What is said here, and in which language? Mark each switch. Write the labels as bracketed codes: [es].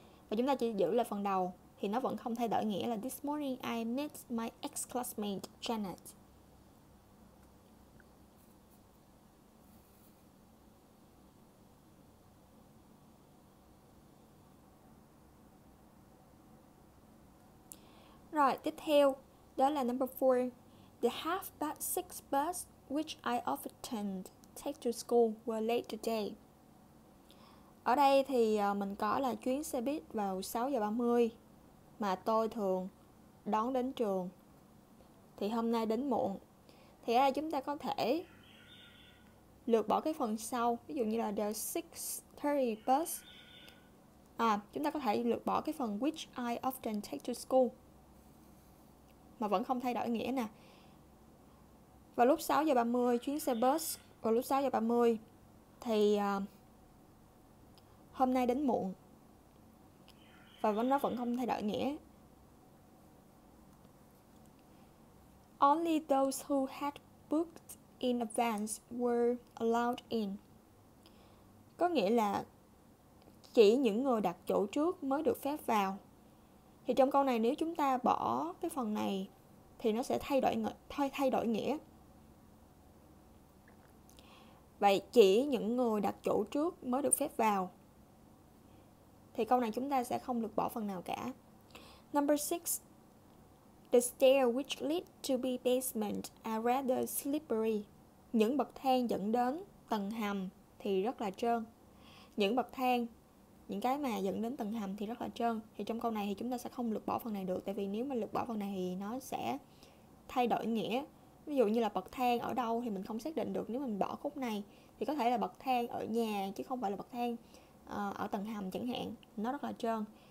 [vi] Và chúng ta chỉ giữ lại phần đầu thì nó vẫn không thay đổi nghĩa là [en] this morning I met my ex-classmate Janet. [vi] Rồi, tiếp theo, đó là number 4. [en] The half past 6 bus which I often take to school were late today. [vi] Ở đây thì mình có là chuyến xe buýt vào 6:30 mà tôi thường đón đến trường thì hôm nay đến muộn. Thì ở đây chúng ta có thể lược bỏ cái phần sau, ví dụ như là [en] the 6:30 bus. [vi] À, chúng ta có thể lược bỏ cái phần [en] which I often take to school [vi] mà vẫn không thay đổi nghĩa nè. Vào lúc 6:30 chuyến xe bus vào lúc 6:30 thì hôm nay đến muộn. Và nó vẫn không thay đổi nghĩa. [en] Only those who had booked in advance were allowed in. [vi] Có nghĩa là chỉ những người đặt chỗ trước mới được phép vào. Thì trong câu này nếu chúng ta bỏ cái phần này thì nó sẽ thay đổi nghĩa. Vậy chỉ những người đặt chỗ trước mới được phép vào. Thì câu này chúng ta sẽ không được bỏ phần nào cả. [en] Number 6. The stair which lead to the basement are rather slippery. [vi] Những bậc thang dẫn đến tầng hầm thì rất là trơn. Những bậc thang, những cái mà dẫn đến tầng hầm thì rất là trơn. Thì trong câu này thì chúng ta sẽ không lược bỏ phần này được. Tại vì nếu mà lược bỏ phần này thì nó sẽ thay đổi nghĩa. Ví dụ như là bậc thang ở đâu thì mình không xác định được. Nếu mình bỏ khúc này thì có thể là bậc thang ở nhà chứ không phải là bậc thang ở tầng hầm chẳng hạn. Nó rất là trơn.